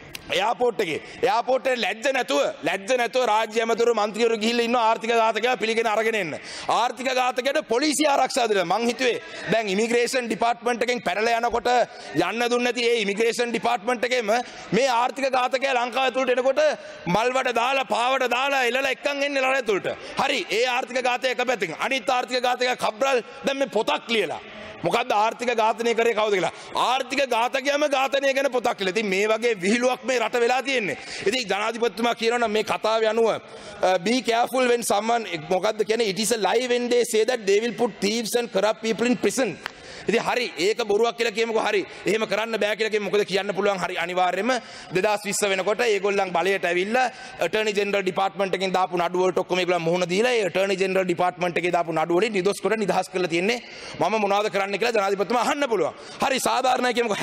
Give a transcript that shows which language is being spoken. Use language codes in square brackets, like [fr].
[si] Airport එකේ airport එකේ ලැජ්ජ නැතුව රාජ්‍ය ඇමතිවරු මන්ත්‍රීවරු ගිහිල්ලා ඉන්නවා ආර්ථික ඝාතකයා පිළිගෙන අරගෙන එන්න ආර්ථික ඝාතකයාට පොලිසිය ආරක්ෂා දෙනවා මං හිතුවේ දැන් ඉමිග්‍රේෂන් ඩිපාර්ට්මන්ට් එකෙන් පැනලා යනකොට යන්න දුන්නේ නැති ඒ ඉමිග්‍රේෂන් ඩිපාර්ට්මන්ට් එකේම මේ ආර්ථික ඝාතකයා ලංකාව ඇතුළට එනකොට මල්වඩ දාලා පාවඩ දාලා එලලා එක්කන් එන්නේ ලාර ඇතුළට හරි ඒ ආර්ථික ඝාතකයා එක පැත්තකින් අනිත් ආර්ථික ඝාතකයා කබ්‍රල් දැන් මේ පොතක් ලියලා මොකද්ද ආර්ථික ඝාතනය කරේ කවුද කියලා ආර්ථික ඝාතකයාම ඝාතනය ගැන පොතක් කියලා. ඉතින් මේ වගේ විහිළුවක් මේ රට වෙලා තියෙන්නේ. ඉතින් ජනාධිපතිතුමා කියනවනම් මේ කතාවේ අනුව [en] be careful when someone [si] මොකද්ද කියන්නේ [en] it is a lie when they say that they will put thieves and corrupt people in prison. [si] ඉතින් හරි ඒක බොරුවක් කියලා කියමුකෝ හරි. එහෙම කරන්න බෑ කියලා කියමු. මොකද කියන්න පුළුවන් හරි අනිවාර්යයෙන්ම 2020 වෙනකොට ඒගොල්ලන් බලයට ඇවිල්ලා attorney general department එකෙන් දාපු නඩු වලට ඔක්කොම ඒගොල්ලන් මුහුණ දීලා ඒ attorney general department එකේ දාපු නඩු වලින් නිදොස් කර නිදහස් කරලා තියෙන්නේ. මම මොනවද කරන්න කියලා ජනාධිපතිතුමා අහන්න පුළුවන්. හරි සාධාරණයි කියමුකෝ.